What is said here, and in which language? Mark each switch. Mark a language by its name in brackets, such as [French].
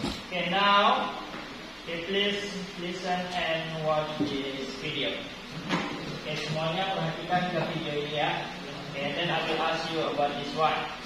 [English] Okay, now, okay, please listen and watch this video. [Indonesian] Okay, semuanya perhatikan ke video ini ya. [English] Okay, then I will ask you about this one.